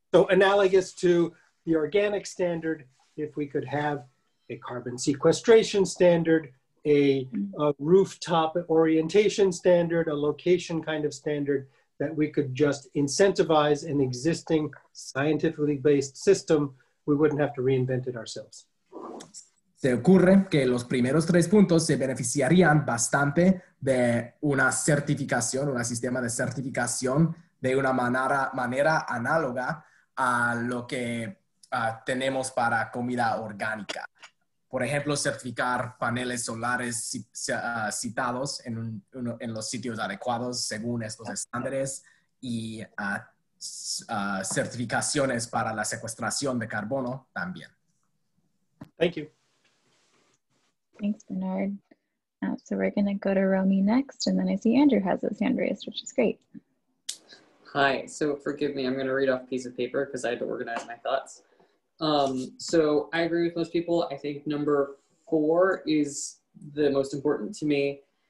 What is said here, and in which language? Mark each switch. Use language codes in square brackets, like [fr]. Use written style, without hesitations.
[en] Analogous to the organic standard, if we could have a carbon sequestration standard, a rooftop orientation standard, a location kind of standard, that we could just incentivize an existing scientifically based system, we wouldn't have to reinvent it ourselves. [es] Se ocurre que los primeros tres puntos se beneficiarían bastante de una certificación, un sistema de certificación de una manera análoga a lo que tenemos para comida orgánica. Por ejemplo, certificar paneles solares citados en los sitios adecuados según estos estándares y certificaciones para la secuestración de carbono también. [en] Thank you. Thanks, Bernard. So we're going to go to Romy next, and then I see Andrew has his hand raised, which is great. Hi. So forgive me. I'm going to read off a piece of paper because I had to organize my thoughts. So I agree with most people. I think number four is the most important to me.